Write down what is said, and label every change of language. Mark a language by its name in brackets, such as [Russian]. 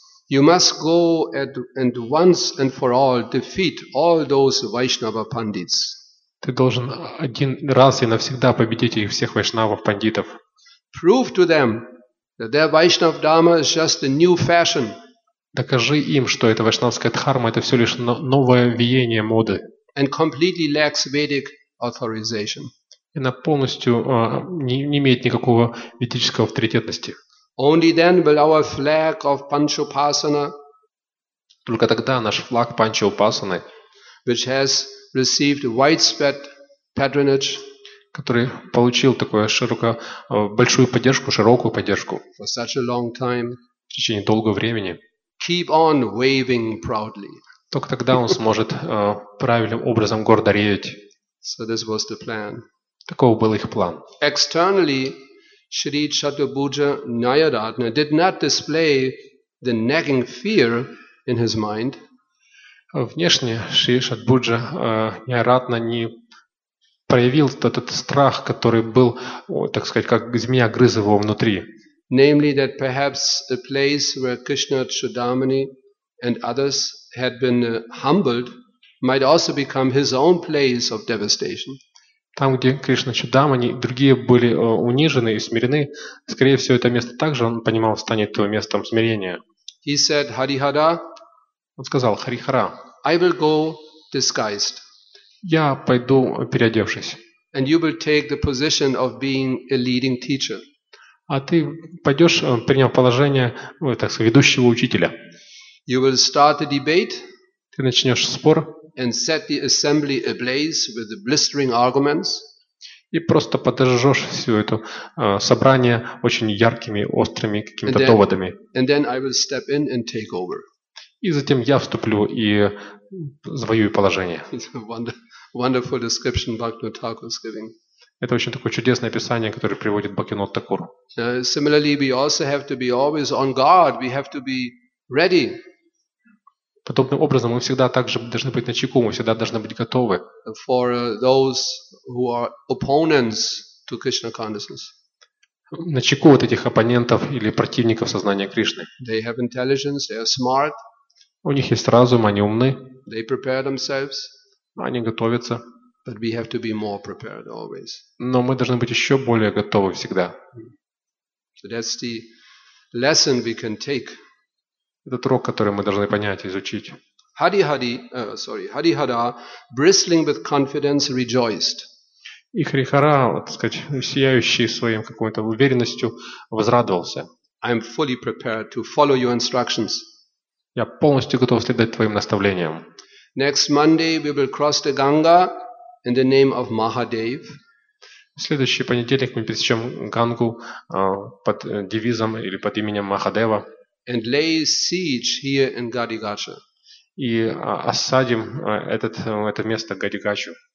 [English] You must go and once and for all defeat all those Vaishnava pandits. [Russian] Ты должен один раз и навсегда победить их всех вайшнавов пандитов. [English] Prove to them that their Vaishnav Dharma is just a new fashion. [Russian] Докажи им, что эта вайшнавская дхарма это все лишь новое веяние моды. [English] And completely lacks Vedic authorization. [Russian] И она полностью не имеет никакого ведического авторитетности. [English] Only then will our flag of Panchopasana, [Russian] только тогда наш флаг Панчоупасаны, [English] which has received widespread patronage, [Russian] который получил такую широкую поддержку [English] for such a long time, [Russian] в течение долгого времени, [English] keep on waving proudly. [Russian] Только тогда он сможет правильным образом гордо реветь. [English] So this was the plan. [Russian] Таков был их план. [English] Externally, Shri Chaturbhuja Nayaratna did not display the nagging fear in his mind. [Russian] Внешне Шри Чатурбхуджа Найаратна не проявил тот страх, который был, так сказать, как змея грыз его внутри. [English] Namely, that perhaps a place where Krishna Chudamani and others had been humbled might also become his own place of devastation. [Russian] Там, где Кришна Чудамани и другие были унижены и смирены, скорее всего, это место также, он понимал, станет местом смирения. [English] He said, Harihara, [Russian] он сказал, Харихара, [English] I will go disguised. [Russian] Я пойду переодевшись. [English] And you will take the position of being a leading teacher. [Russian] А ты пойдешь, приняв положение, так сказать, ведущего учителя. [English] You will start a debate. [Russian] Ты начнешь спор. [English] And set the assembly ablaze with the blistering arguments. [Russian] И просто подожжешь все это собрание очень яркими, острыми какими-то доводами. [English] And then I will step in and take over. [Russian] И затем я вступлю и завоюю положение. [English] Wonderful description Bhaktivinoda Thakur is giving. [Russian] Это очень такое чудесное описание, которое приводит Бхактивинода Такур. [English] Similarly, we also have to be always on guard. We have to be ready. [Russian] Подобным образом мы всегда также должны быть начеку, мы всегда должны быть готовы. [English] For those who are opponents to Krishna consciousness. [Russian] Начеку вот этих оппонентов или противников сознания Кришны. [English] They have intelligence, they are smart. [Russian] У них есть разум, они умны. [English] They prepare themselves. [Russian] Они готовятся. [English] But we have to be more prepared always. [Russian] Но мы должны быть еще более готовы всегда. [English] So that's the lesson we can take. [Russian] Этот урок, который мы должны понять и изучить. [English] Harihara, bristling with confidence, rejoiced. [Russian] И Харихара, так сказать, сияющий своим какой-то уверенностью, возрадовался. [English] I am fully prepared to follow your instructions. [Russian] Я полностью готов следовать твоим наставлениям. [English] Next Monday we will cross the Ganga in the name of Mahadev. [Russian] В следующий понедельник мы пересечем Гангу под девизом или под именем Махадева. [English] And lay siege here in Gadigacha. [Russian] И осадим это место Гадигачу.